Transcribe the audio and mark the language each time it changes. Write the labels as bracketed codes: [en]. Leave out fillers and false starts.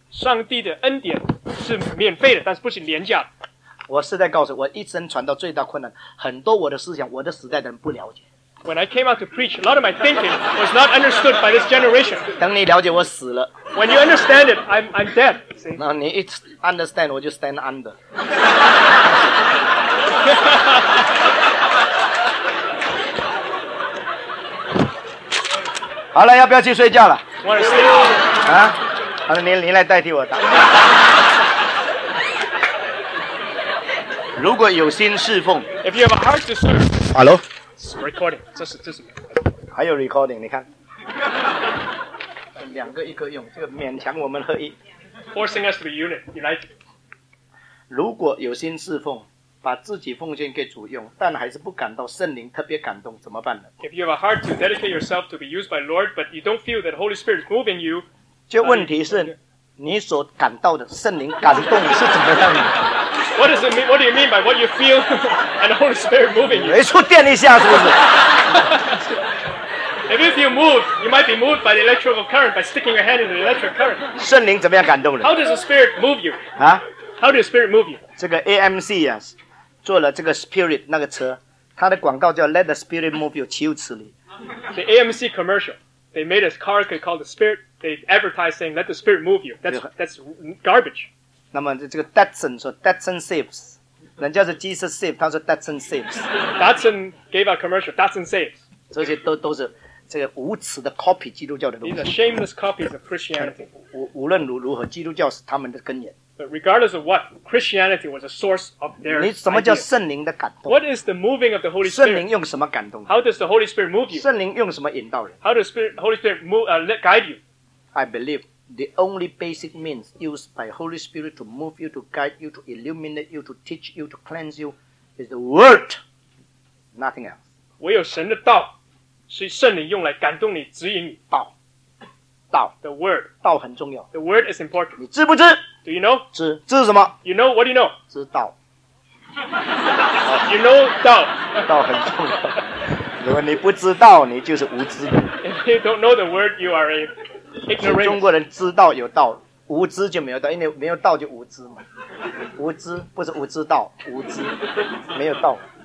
[zh] 上帝的恩典是免费的，但是不是廉价的。我是在告诉我一生传道最大困难，很多我的思想，我的时代的人不了解。 [en] When I came out to preach, a lot of my thinking was not understood by this generation. [zh] 等你了解我死了。 [en] When you understand it, I'm dead. [zh] 那你一 understand, 我就 [en] stand under. [zh] 好了，要不要去睡觉了 [en] ？Want to sleep? [zh] 啊，你来代替我打。如果有心侍奉 [en] If you have a heart to serve Hello [zh] Recording 这是还有 recording 你看两个一个用这个勉强我们合一 [en] Forcing us to be united [zh] 如果有心侍奉把自己奉献给主用但还是不感到圣灵特别感动怎么办呢 [en] If you have a heart to dedicate yourself to be used by Lord but you don't feel that Holy Spirit is moving you [zh] 这问题是你所感到的圣灵感动是怎么样的 [en] What does it mean? What do you mean by what you feel and the Holy Spirit moving you? [zh] 没触电一下是不是 [en] If you feel moved, you might be moved by the electrical current by sticking your hand in the electric current. [zh] 圣灵怎么样感动的 [en] How does the Spirit move you? 啊 How does the Spirit move you? [zh] 这个 AMC 啊，做了这个 Spirit 那个车，它的广告叫 [en] Let the Spirit move you, [zh] 岂有此理 [en] The AMC commercial, they made a car called the Spirit. They advertised saying Let the Spirit move you. That's garbage. [zh] 那么这个 Datsun 说 [en] Datsun saves [zh] 人家是 [en] Jesus saves [zh] 他说 Datsun saves [en] Datsun gave a commercial Datsun saves [zh] 这些 都是这个无耻的 copy 基督教的东西 [en] These are shameless copies of Christianity [zh] 无论如何基督教是他们的根源 [en] But regardless of what Christianity was a source of their [zh] 你什么叫圣灵的感动 [en] What is the moving of the Holy Spirit [zh] 圣灵用什么感动 [en] How does the Holy Spirit move you [zh] 圣灵用什么引导人 [en] How does the Holy Spirit guide you I believeThe only basic means used by Holy Spirit to move you, to guide you, to illuminate you, to teach you, to cleanse you, is the Word, nothing else. [zh] 唯有神的道是圣灵用来感动你、指引你。道 [en] The Word. [zh] 道很重要。 [en] The Word is important. [zh] 你知不知 [en] Do you know? [zh] 知。知什么 [en] You know, what do you know? [zh] 知道。 [en] You know, 道。 [zh] 道很重要。如果你不知道，你就是无知的。 [en] If you don't know the Word, you are a... [zh] 中国人知道有道无知就没有道因为没有道就无知嘛无知不是无知道无知没有道